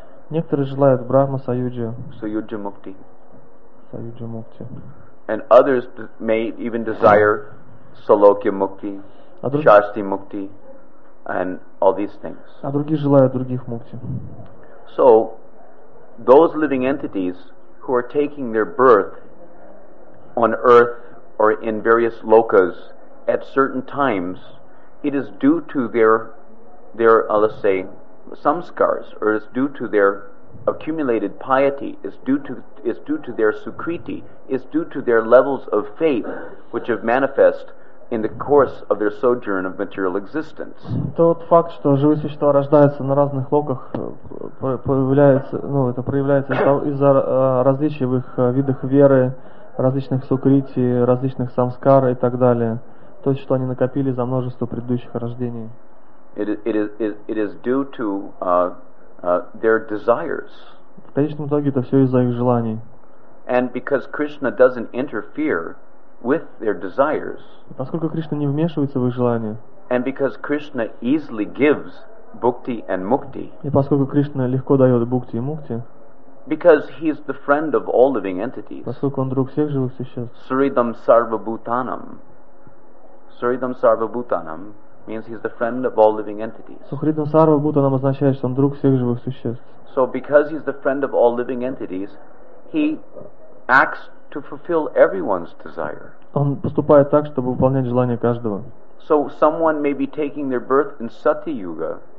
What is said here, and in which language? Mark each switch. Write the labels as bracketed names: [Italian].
[Russian] Некоторые желают Брахма Саюджа. [Sanskrit] Саюджа мукти. Саюджа мукти. [English] And others may even desire Салокья мукти, Шасти мукти. and all these things. [Russian] А другие желают других мукти. [English] So those living entities who are taking their birth on earth or in various lokas at certain times, it is due to their let's say samskars, or it's due to their accumulated piety, is due to their sukriti, is due to their levels of faith which have manifest in the course of their sojourn of material existence. [Russian] Тот факт, что живые существа рождаются на разных локах, появляется, ну, это проявляется из-за различий в их видах веры, различных сукрити, различных самскар и так далее. То есть, что они накопили за множество предыдущих рождений. [English] It is due to their desires. [Russian] В конечном итоге это все из-за их желаний. [English] And because Krishna doesn't interfere with their desires. [Russian] Поскольку Кришна не вмешивается в их желания. [English] And because Krishna easily gives bhukti and mukti. [Russian] И поскольку Кришна легко дает бхукти и мукти. [English] Because he is the friend of all living entities. [Russian] Поскольку он друг всех живых существ. [Sanskrit] Saridam sarvabhutanam. [English] Saridam sarvabhutanam means he's the friend of all living entities. [Russian] Сухридам сарвабхутанам означает, что он друг всех живых существ. [English] So because he's the friend of all living entities, he acts to fulfill everyone's desire. [Russian] Он поступает так, чтобы выполнять желание каждого. [English] So someone may be taking their birth in Satya Yuga.